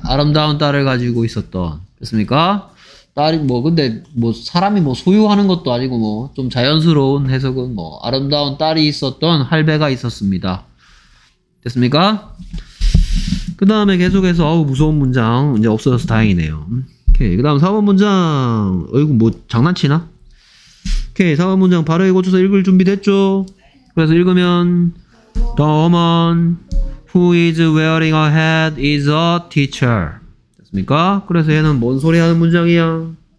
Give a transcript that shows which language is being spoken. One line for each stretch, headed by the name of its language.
Korean: 아름다운 딸을 가지고 있었던. 됐습니까? 딸이 뭐 근데 뭐 사람이 뭐 소유하는 것도 아니고 뭐 좀 자연스러운 해석은 뭐 아름다운 딸이 있었던 할배가 있었습니다. 됐습니까? 그 다음에 계속해서 아우 무서운 문장 이제 없어져서 다행이네요. 오케이. 그 다음 4번 문장 어이구 뭐 장난치나? 오케이. 4번 문장 발음에 고쳐서 읽을 준비 됐죠? 그래서 읽으면
English: The woman who is wearing a hat is a teacher.
Korean: 됐습니까? 그래서 얘는 뭔 소리 하는 문장이야?